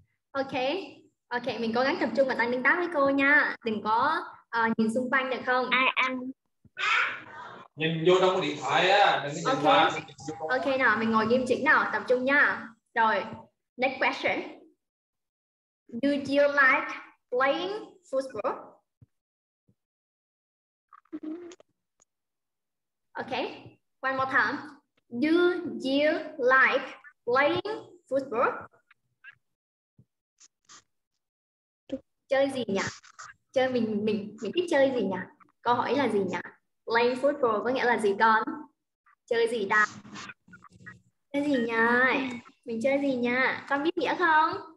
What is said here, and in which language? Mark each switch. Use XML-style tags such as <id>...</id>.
<vi>Ok, ok, mình cố gắng tập trung và tăng tương tác với cô nha. Đừng có nhìn xung quanh được không?</vi> <en>I am...</en> <vi>Nhìn vô trong điện thoại á, đừng có nhìn okay. Qua. Ok nào, mình ngồi nghiêm chỉnh nào, tập trung nha. Rồi,</vi> <en>next question. Do you like playing football? Okay, one more time. Do you like playing football?</en> <vi>Chơi gì nhỉ? Chơi mình thích chơi gì nhỉ? Câu hỏi là gì nhỉ?</vi> <en>Playing football</en> <vi>có nghĩa là gì con? Chơi gì ta? Chơi gì nha? Mình chơi gì nha? Con biết nghĩa không?</vi>